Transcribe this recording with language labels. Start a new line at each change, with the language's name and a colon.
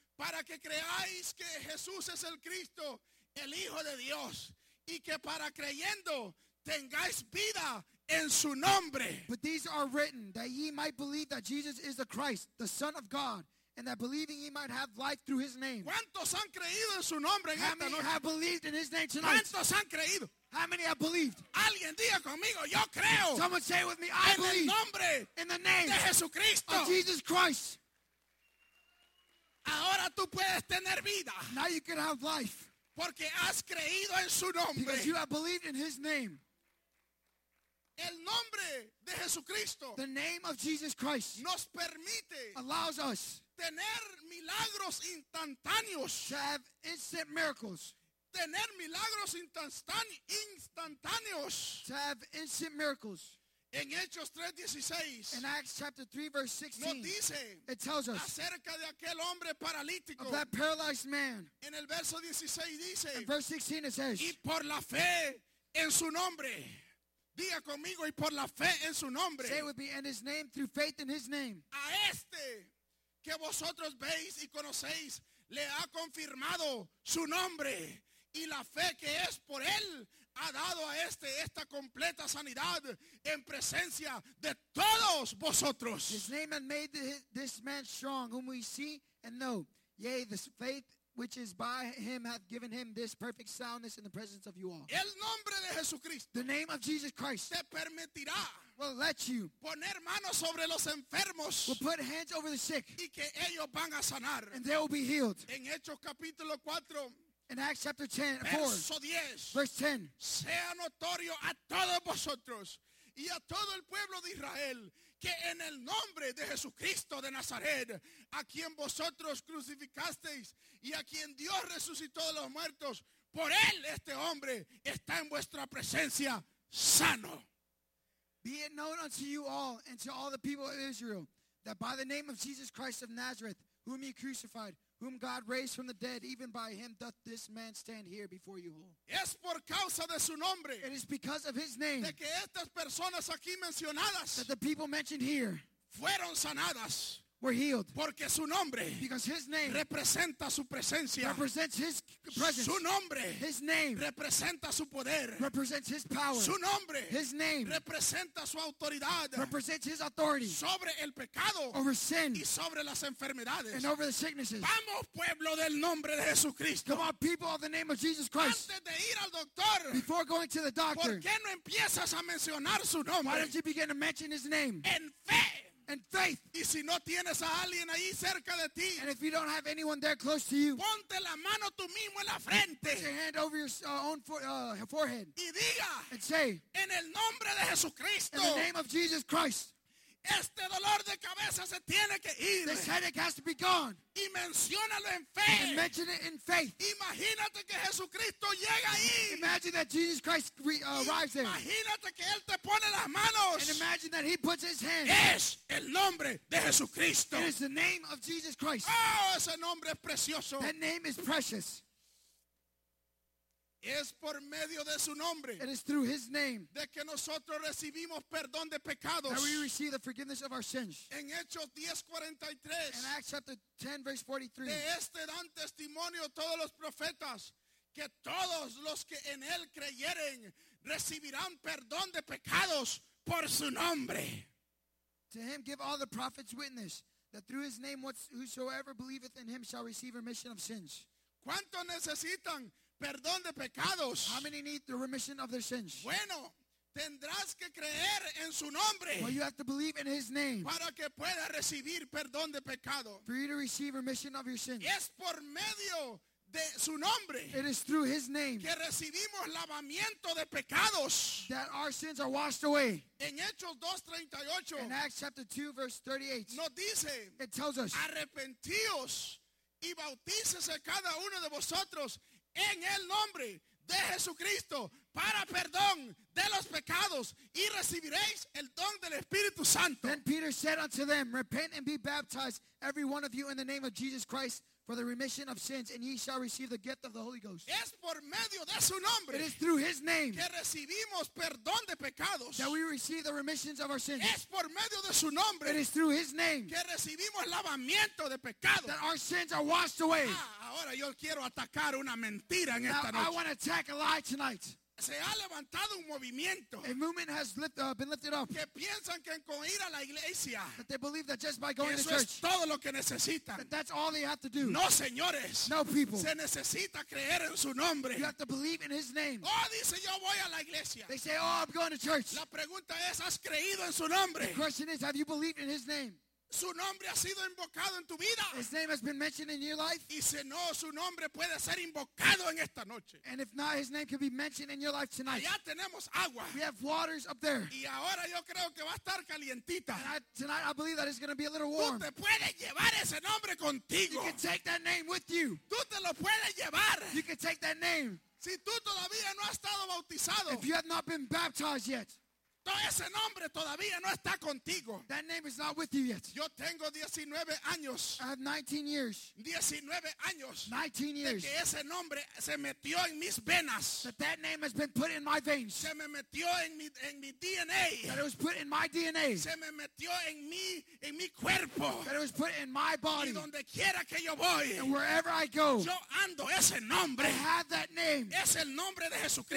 Spanish: Para que creáis que Jesús es el Cristo, el Hijo de Dios, y que para creyendo tengáis vida en su nombre.
English: But these are written that ye might believe that Jesus is the Christ, the Son of God, and that believing he might have life through his name.
Spanish: ¿Cuántos han creído en su nombre en esta noche?
English: How many have believed in his name tonight?
Spanish: ¿Cuántos han creído?
English: How many have believed?
Spanish: Alguien diga conmigo, yo creo.
English: Someone say it with me, I believe.
Spanish: En el nombre.
English: In the name.
Spanish: De Jesucristo.
English: Of Jesus Christ.
Spanish: Ahora tú puedes tener vida.
English: Now you can have life.
Spanish: Porque has creído en su nombre.
English: Because you have believed in his name.
Spanish: El nombre de Jesucristo.
English: The name of Jesus Christ.
Spanish: Nos permite.
English: Allows us.
Spanish: Tener milagros instantáneos.
English: To have instant miracles.
Spanish: Tener milagros instantáneos.
English: To have instant miracles.
Spanish: En Hechos 3:16.
English: In Acts chapter 3 verse 16.
Spanish: Nos dice.
English: It tells us.
Spanish: Acerca de aquel hombre paralítico.
English: Of that paralyzed man.
Spanish: En el verso 16 dice.
English: In verse 16 it says.
Spanish: Y por la fe en su nombre. Diga conmigo y por la fe en su nombre.
English: Say it with me, in his name, through faith in his name.
Spanish: A este que vosotros veis y conocéis, le ha confirmado su nombre. Y la fe que es por él, ha dado a este esta completa sanidad en presencia de todos vosotros.
English: His name has made this man strong, whom we see and know. Yea, this faith which is by him hath given him this perfect soundness in the presence of you all.
Spanish: El nombre de Jesucristo.
English: The name of Jesus Christ.
Spanish: Te permitirá.
English: Will let you.
Spanish: Poner manos sobre los enfermos.
English: Will put hands over the sick.
Spanish: Y que ellos van a sanar.
English: And they will be healed.
Spanish: En Hechos capítulo 4.
English: In Acts chapter 10, 4.
Spanish: Verso 10.
English: Verse 10.
Spanish: Sea notorio a todos vosotros y a todo el pueblo de Israel que en el nombre de Jesucristo de Nazaret, a quien vosotros crucificasteis y a quien Dios resucitó de los muertos, por él este hombre está en vuestra presencia sano.
English: Be it known unto you all and to all the people of Israel that by the name of Jesus Christ of Nazareth, whom ye crucified, whom God raised from the dead, even by him doth this man stand here before you all.
Spanish: Es por causa de su nombre.
English: It is because of his name.
Spanish: De que estas personas aquí mencionadas.
English: That the people mentioned here.
Spanish: Fueron sanadas.
English: Were healed.
Spanish: Porque su nombre.
English: Because his name.
Spanish: Representa su presencia.
English: Represents his presence.
Spanish: Su nombre.
English: His name.
Spanish: Representa su poder.
English: Represents his power.
Spanish: Su nombre.
English: His name.
Spanish: Representa su autoridad.
English: Represents his authority.
Spanish: Sobre el pecado.
English: Over sin.
Spanish: Y sobre las enfermedades.
English: And over the sicknesses.
Spanish: Vamos pueblo del nombre de Jesucristo.
English: Come on people of the name of Jesus Christ.
Spanish: Antes de ir al doctor.
English: Before going to the doctor.
Spanish: ¿Por qué no empiezas a mencionar su nombre?
English: Why don't you begin to mention his name?
Spanish: En fe.
English: And faith.
Spanish: Y si no tienes a alguien ahí cerca de ti,
English: and if you don't have anyone there close to you,
Spanish: ponte la mano tú mismo en la frente.
English: Put your hand over your own forehead.
Spanish: Y diga,
English: and say,
Spanish: en el nombre de Jesucristo,
English: in the name of Jesus Christ,
Spanish: este dolor de cabeza se tiene que ir.
English: This headache has to be gone.
Spanish: Y menciónalo en fe.
English: And mention it in faith.
Spanish: Imagínate que Jesucristo llega ahí.
English: Imagine that Jesus Christ arrives there.
Spanish: Imagínate que él te pone las manos.
English: And imagine that he puts his hands.
Spanish: Es el nombre de Jesucristo.
English: It is the name of Jesus Christ.
Spanish: Oh, ese nombre es precioso.
English: That name is precious.
Spanish: Es por medio de su nombre.
English: It is through his name.
Spanish: De que nosotros recibimos perdón de pecados.
English: That we receive the forgiveness of our sins.
Spanish: En Hechos 10:43.
English: In Acts chapter 10 verse 43.
Spanish: De este dan testimonio todos los profetas que todos los que en él creyeren recibirán perdón de pecados por su nombre.
English: To him give all the prophets witness that through his name whosoever believeth in him shall receive remission of sins.
Spanish: ¿Cuánto necesitan perdón de pecados?
English: How many need the remission of their sins?
Spanish: Bueno, tendrás que creer en su nombre.
English: Well, you have to believe in his name.
Spanish: Para que pueda recibir perdón de pecado.
English: For you to receive remission of your sins.
Spanish: Es por medio de su nombre.
English: It is through his name.
Spanish: Que recibimos lavamiento de pecados.
English: That our sins are washed away.
Spanish: En Hechos 2:38.
English: In Acts chapter 2 verse 38.
Spanish: Nos dice.
English: It tells us.
Spanish: Arrepentíos y bautícese cada uno de vosotros en el nombre de Jesucristo para perdón de los pecados y recibiréis el don del Espíritu Santo.
English: Then Peter said unto them, repent and be baptized every one of you in the name of Jesus Christ for the remission of sins, and ye shall receive the gift of the Holy Ghost.
Spanish: Es por medio de su nombre.
English: It is through his name
Spanish: que recibimos perdón de pecados.
English: That we receive the remissions of our sins.
Spanish: Es por medio de su nombre.
English: It is through his name
Spanish: que recibimos lavamiento de pecados.
English: That our sins are washed away.
Spanish: Ahora yo quiero atacar una mentira en esta noche.
English: I want to attack a lie tonight.
Spanish: se ha levantado un movimiento.
English: A movement has lift, been lifted up.
Spanish: Que piensan que con ir a la iglesia.
English: That they believe that just by going to church.
Spanish: Eso es todo lo que necesitan.
English: That that's all they have to do.
Spanish: No, señores.
English: No, people.
Spanish: Se necesita creer en su nombre.
English: You have to believe in his name.
Spanish: Oh, dice, yo voy a la iglesia.
English: They say, oh, I'm going to church.
Spanish: La pregunta es, ¿has creído en su nombre?
English: The question is, have you believed in his name?
Spanish: Su nombre ha sido invocado en tu vida.
English: His name has been mentioned in your life.
Spanish: Y si no, su nombre puede ser invocado en esta noche.
English: And if not, his name can be mentioned in your life tonight.
Spanish: Allá tenemos agua.
English: We have waters up there.
Spanish: Y ahora yo creo que va a estar calientita.
English: And tonight I believe that it's going to be a little warm.
Spanish: Tú te puedes llevar ese nombre contigo.
English: You can take that name with you.
Spanish: Tú te lo puedes llevar.
English: You can take that name.
Spanish: Si tú todavía no has estado bautizado.
English: If you have not been baptized yet.
Spanish: Ese nombre todavía no está contigo.
English: That name is not with you yet.
Spanish: Yo tengo 19 años.
English: I have 19 years.
Spanish: 19 años.
English: 19 years.
Spanish: De que ese nombre se metió en mis venas.
English: That that name has been put in my veins.
Spanish: Se me metió en mi DNA.
English: That it was put in my DNA.
Spanish: Se me metió en mi cuerpo.
English: That it was put in my body.
Spanish: Y donde quiera que yo voy.
English: And wherever I go.
Spanish: Yo ando ese nombre.
English: I have that name.
Spanish: Es el nombre de Jesucristo.